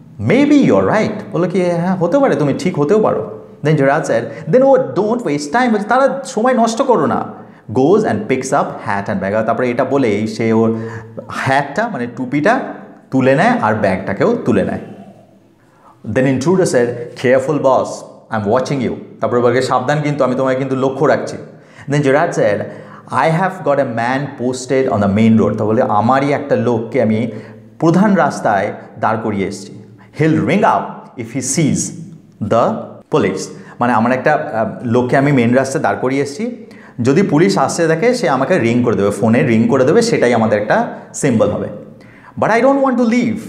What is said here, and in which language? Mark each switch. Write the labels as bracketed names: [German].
[English] maybe you're right, [Bangla] বলো কি হ্যাঁ হতে পারে তুমি ঠিক হতেও পারো [English] Then Gerard said, then oh don't waste time, [Bangla] বলছে তারা সময় নষ্ট করো না [English] Goes and picks up hat and bag, [Bangla] তারপরে এটা বলে সে ওর হ্যাটটা মানে টুপিটা তুলে নেয় আর ব্যাগটাকেও তুলে নেয় [English] Then intruder said, careful boss, I'm watching you. [Bangla] তারপরে বলে সাবধান কিন্তু আমি তোমায় কিন্তু লক্ষ্য রাখছি [English] Then Gerard said, I have got a man posted on the main road. [Bangla] তো বলে আমারই একটা লোককে আমি প্রধান রাস্তায় দাঁড় করিয়ে এসেছি [English] He'll ring up if he sees the police. [Bangla] মানে আমার একটা লোককে আমি মেন রাস্তায় দাঁড় করিয়ে এসেছি যদি পুলিশ আসতে দেখে সে আমাকে রিং করে দেবে ফোনে রিং করে দেবে সেটাই আমাদের একটা সিম্বল হবে [English] But I don't want to leave.